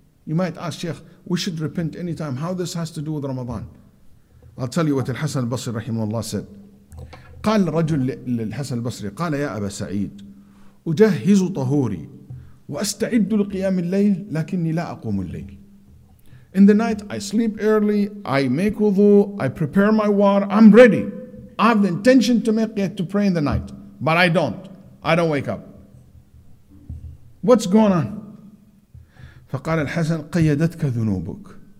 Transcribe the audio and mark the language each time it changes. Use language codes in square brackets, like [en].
[en] You might ask, Sheikh, we should repent anytime. How this has to do with Ramadan? I'll tell you what Al-Hasan al-Basri rahimahullah said. [ar] قال رجل للحسن البصري قال يا أبا سعيد أجهز طهوري وأستعد لقيام الليل لكني لا أقوم الليل. [en] In the night, I sleep early, I make wudu, I prepare my water, I'm ready. I have the intention to make it to pray in the night, but I don't. I don't wake up. What's going on? [ar] فقال الحسن قيدتك ذنوبك.